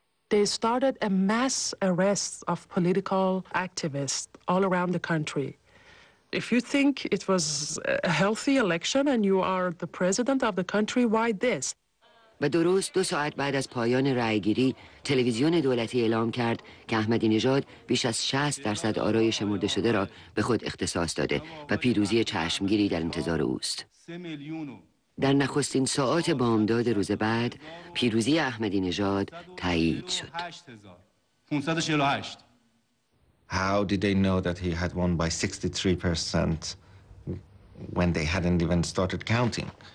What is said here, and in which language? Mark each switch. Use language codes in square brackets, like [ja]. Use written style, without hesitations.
[en] They started a mass arrest of political activists all around the country. If you think it was a healthy election and you are the president of the country, why this? [fa] و درست دو ساعت بعد از پایان رأی‌گیری تلویزیون دولتی اعلام کرد که احمدی نژاد بیش از 60% آرای شمرده شده را به خود اختصاص داده و پیروزی چشمگیری در انتظار اوست. در نخستین ساعات بامداد روز بعد پیروزی احمدی نژاد تایید شد. 548. [en] How did they know that he had won by 63% when they hadn't even started counting?